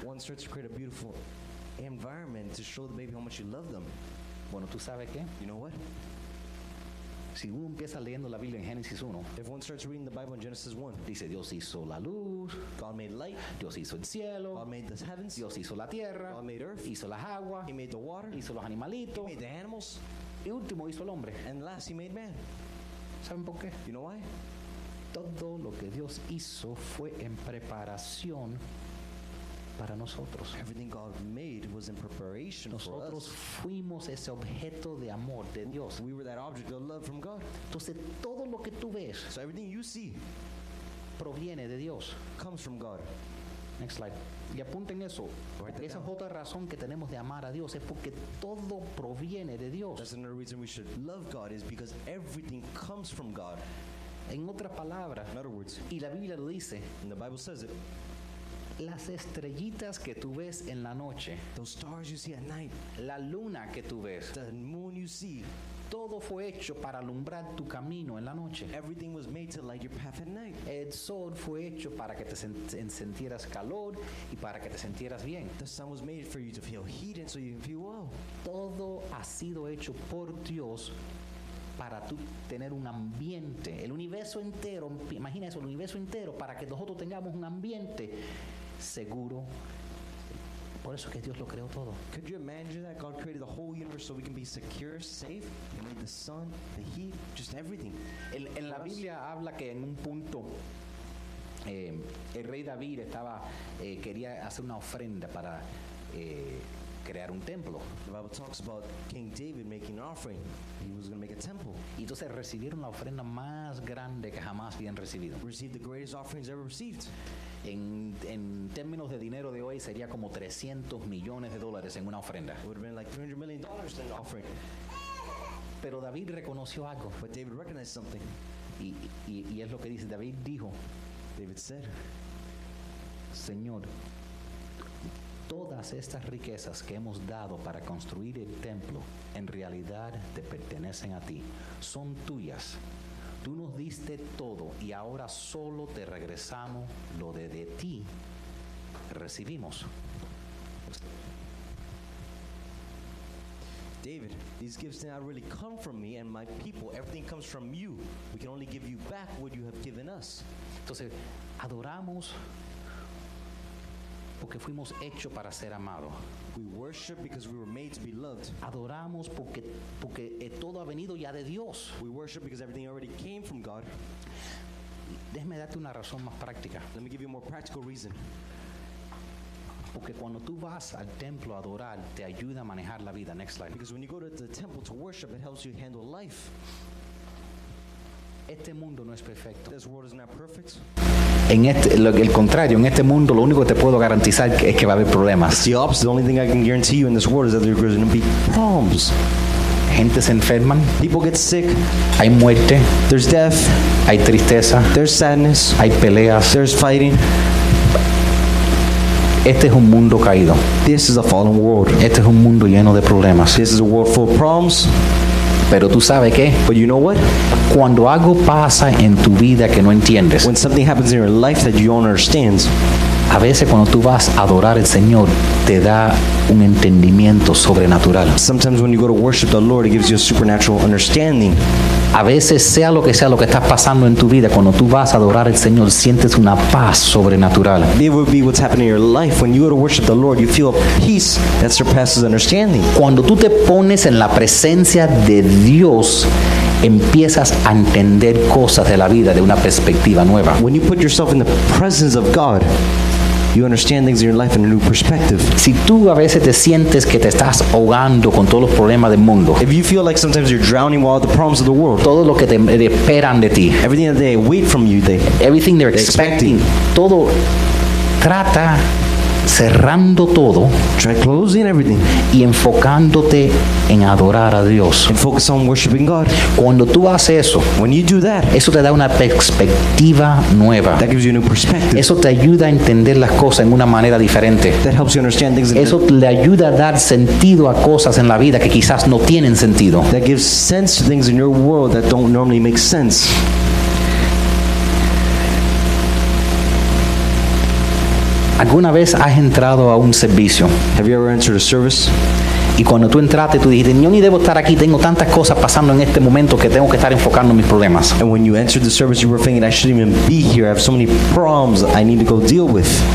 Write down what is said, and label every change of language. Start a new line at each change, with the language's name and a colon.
English: One starts to create a beautiful environment to show the baby how much you love them.
Spanish: Bueno, ¿tú sabes qué?
English: You know what?
Spanish: Si uno empieza leyendo la Biblia en Génesis 1,
English: if one starts reading the Bible in Genesis 1,
Spanish: dice Dios hizo la luz,
English: God made light,
Spanish: Dios hizo el cielo,
English: God made the heavens,
Spanish: Dios hizo la tierra,
English: God made earth,
Spanish: hizo las aguas,
English: he made the water,
Spanish: hizo los animalitos,
English: he made the animals,
Spanish: y último hizo el hombre,
English: and last he made man.
Spanish: ¿Saben por qué?
English: You know why?
Spanish: Todo lo que Dios hizo fue en preparación para nosotros.
English: Everything God made was in preparation
Spanish: nosotros
English: for us.
Spanish: Nosotros fuimos ese objeto de amor de Dios.
English: We were that object of love from God.
Spanish: Entonces todo lo que tú ves,
English: so everything you see,
Spanish: proviene de Dios.
English: Comes from God. Next slide.
Spanish: Y apunten eso.
English: Write
Spanish: esa es otra razón que tenemos de amar a Dios, es porque todo proviene de Dios.
English: That's another reason we should love God, is because everything comes from God.
Spanish: En otra palabra,
English: in other words,
Spanish: y la Biblia lo dice,
English: and the Bible says it,
Spanish: las estrellitas que tú ves en la noche,
English: those stars you see at night,
Spanish: la luna que tú ves,
English: the moon you see,
Spanish: todo fue hecho para alumbrar tu camino en la noche.
English: Everything was made to light your path at night.
Spanish: El sol fue hecho para que te sintieras calor y para que te sintieras bien.
English: The sun was made for you to feel heat and so you can feel well.
Spanish: Todo ha sido hecho por Dios para tú tener un ambiente. El universo entero, imagina eso, el universo entero, para que nosotros tengamos un ambiente seguro. Por eso que Dios lo creó todo.
English: Could you imagine that God created the whole universe so we can be secure, safe? He made the sun, the heat, just everything.
Spanish: En la Biblia habla que en un punto el rey David estaba quería hacer una ofrenda para crear un templo.
English: The Bible talks about King David making an offering. He was going to make a temple.
Spanish: Y entonces recibieron la ofrenda más grande que jamás habían recibido.
English: Received the greatest offerings ever received.
Spanish: En términos de dinero de hoy sería como 300 millones de dólares en una ofrenda.
English: It would have been like $300 million in an offering.
Spanish: Pero David reconoció algo.
English: But David recognized something.
Spanish: Y es lo que dice. David dijo,
English: David said,
Spanish: Señor, todas estas riquezas que hemos dado para construir el templo, en realidad te pertenecen a ti. Son tuyas. Tú nos diste todo y ahora solo te regresamos lo de ti recibimos.
English: David, these gifts did not really come from me and my people. Everything comes from you. We can only give you back what you have given us.
Spanish: Entonces, adoramos porque fuimos hechos para ser amados.
English: We worship because we were made to be loved.
Spanish: Adoramos porque todo ha venido ya de Dios.
English: We worship because everything already came from God.
Spanish: Déjame darte una razón más práctica.
English: Let me give you a more practical reason.
Spanish: Porque cuando tú vas al templo a adorar, te ayuda a manejar la vida.
English: Next slide. Because when you go to the temple to worship, it helps you handle life.
Spanish: Este mundo no es perfecto.
English: This world is not perfect.
Spanish: En el contrario, en este mundo lo único que te puedo garantizar es que va a haber problemas.
English: The opposite, the only thing I can guarantee you in this world is that there are going to be problems.
Spanish: Gente se enferman.
English: People get sick.
Spanish: Hay muerte.
English: There's death.
Spanish: Hay tristeza.
English: There's sadness.
Spanish: Hay peleas.
English: There's fighting.
Spanish: Este es un mundo caído.
English: This is a fallen world.
Spanish: Este es un mundo lleno de problemas.
English: This is a world full of problems.
Spanish: Pero tú sabes qué.
English: But you know what?
Spanish: Cuando algo pasa en tu vida que no entiendes.
English: When something happens in your life that you don't understand.
Spanish: A veces cuando tú vas a adorar al Señor, te da un entendimiento sobrenatural.
English: Sometimes when you go to worship the Lord, it gives you a supernatural understanding.
Spanish: A veces sea lo que estás pasando en tu vida, cuando tú vas a adorar al Señor, sientes una paz sobrenatural.
English: It would be what's happening in your life. When you go to worship the Lord, you feel a peace that surpasses understanding.
Spanish: Cuando tú te pones en la presencia de Dios, empiezas a entender cosas de la vida de una perspectiva nueva.
English: When you put yourself in the presence of God, you understand things in your life in a new perspective.
Spanish: Si tú a veces te sientes que te estás ahogando con todos los problemas del mundo.
English: If you feel like sometimes you're drowning with all the problems of the world.
Spanish: Todo lo que te esperan de ti.
English: Everything that they wait from you. Everything they're expecting.
Spanish: Todo trata cerrando todo,
English: try closing everything,
Spanish: y enfocándote en adorar a Dios.
English: And focus on worshiping God.
Spanish: Cuando tú haces eso,
English: when you do that,
Spanish: eso te da una perspectiva nueva.
English: That gives you a new perspective.
Spanish: Eso te ayuda a entender las cosas en una manera diferente.
English: That helps you understand things.
Spanish: Eso le ayuda a dar sentido a cosas en la vida que quizás no tienen sentido.
English: That gives sense to things in your world that don't normally make sense.
Spanish: ¿Alguna vez has entrado a un servicio?
English: Have you ever entered a service?
Spanish: Y cuando tú entraste, tú dijiste, yo ni debo estar aquí, tengo tantas cosas pasando en este momento que tengo que estar enfocando en mis problemas.
English: And when you entered the service, you were thinking, I shouldn't even be here, I have so many problems I need to go deal with.